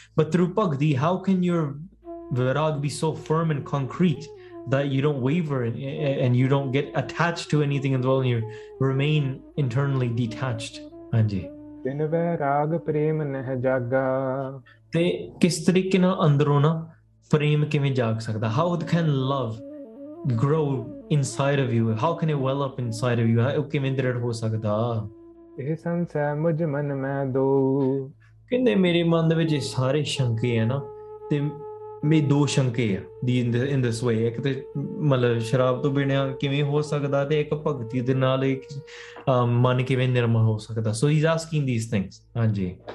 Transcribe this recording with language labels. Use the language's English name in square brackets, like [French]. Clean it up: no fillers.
[English] But through bhakti, how can your virag be so firm and concrete that you don't waver and you don't get attach to anything in the world, you remain internally detached. [Punjabi] ਹਾਂਜੀ, ਬਿਨ ਵਿਰਾਗ ਪ੍ਰੇਮ ਨਹਿ ਜਾਗਾ। ਤੇ ਕਿਸ ਤਰੀਕੇ ਨਾਲ ਅੰਦਰੋਂ ਨਾ ਪ੍ਰੇਮ ਕਿਵੇਂ ਜਾਗ ਸਕਦਾ? [English] How can love grow inside of you? How can it well up inside of you? How can it grow [Punjabi] ho sakda? ਇਹ ਸੰਸੈ ਮੁਝ ਮਨ ਮੈਂ ਦੋ। ਕਹਿੰਦੇ ਮੇਰੇ ਮਨ ਦੇ ਵਿੱਚ ਸਾਰੇ ਸ਼ੰਕੇ ਆ ਨਾ, ਤੇ ਮੇ ਦੋ ਸ਼ੰਕੇ ਆ [English] ਦੀ in this way, [Punjabi] ਇੱਕ ਤੇ ਮਤਲਬ ਸ਼ਰਾਬ ਤੋਂ ਬਿਨਾਂ ਕਿਵੇਂ ਹੋ ਸਕਦਾ, ਤੇ ਇੱਕ ਭਗਤੀ ਦੇ ਨਾਲ ਮਨ ਕਿਵੇਂ ਨਿਰਮਲ ਹੋ ਸਕਦਾ। [English] So he is asking these things. ਹਾਂਜੀ,